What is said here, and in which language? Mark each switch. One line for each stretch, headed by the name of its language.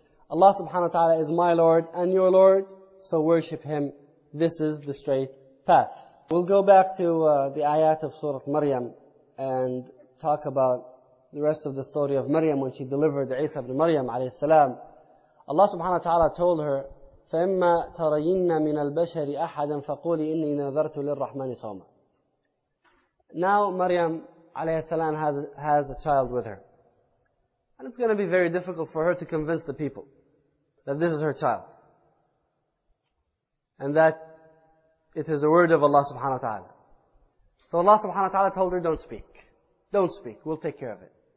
English: Allah subhanahu wa ta'ala is my Lord and your Lord, so worship Him. This is the straight path. We'll go back to the ayat of Surah Maryam and talk about the rest of the story of Maryam when she delivered Isa ibn Maryam alayhi salam. Allah subhanahu wa ta'ala told her,
Arabic: فَإِمَّا تَرَيِّنَّ مِنَ الْبَشَرِ أَحَدًا فَقُولِ إِنِّي نَذَرْتُ لِلرَّحْمَنِ صَوْمًا.
English: Now Maryam alayhi salam has a child with her. And it's going to be very difficult for her to convince the people that this is her child. And that it is the word of Allah subhanahu wa ta'ala. So Allah subhanahu wa ta'ala told her, don't speak. Don't speak. We'll take care of it.